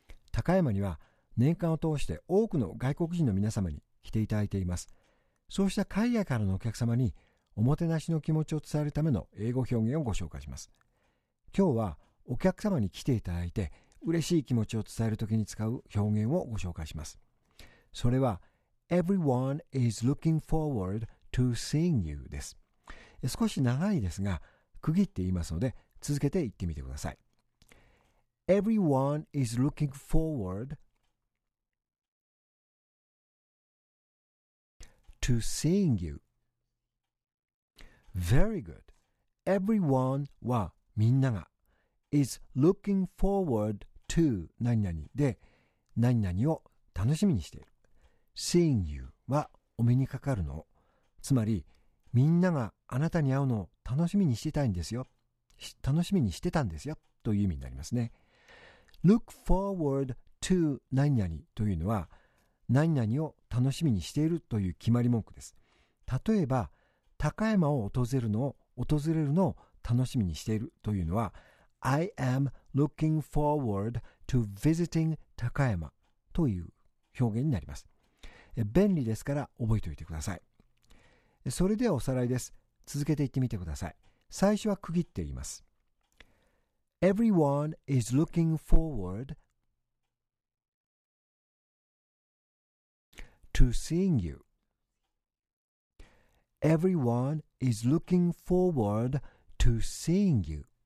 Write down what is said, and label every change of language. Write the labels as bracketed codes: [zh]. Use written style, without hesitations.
[ja] 高山には年間を通して多くの外国人の皆様に来ていただいています。そうした海外からのお客様におもてなしの気持ちを伝えるための英語表現をご紹介します。今日はお客様に来ていただいて嬉しい気持ちを伝えるときに使う表現をご紹介します。それは [en] Everyone is looking forward to seeing you [ja] です。少し長いですが、区切って言いますので、続けて言ってみてください。 [en] Everyone is looking forward to seeing you. Very good. Everyone [ja] はみんなが [en] is looking forward to [ja] 何々で何々を楽しみにしている。 [en] Seeing you [ja] はお目にかかるの。つまり、みんながあなたに会うのを楽しみにしてたんですよ。楽しみにしてたんですよ。という意味になりますね。 [en] Look forward to [ja] 何々というのは、何々を楽しみにしているという決まり文句です。例えば、高山を訪れるのを楽しみにしているというのは、 [en] I am looking forward to visiting [ja] 高山という表現になります。便利ですから覚えておいてください。それではおさらいです。続けて言ってみてください。最初は区切って言います。 [en] Everyone is looking forward to seeing you. Everyone is looking forward to seeing you.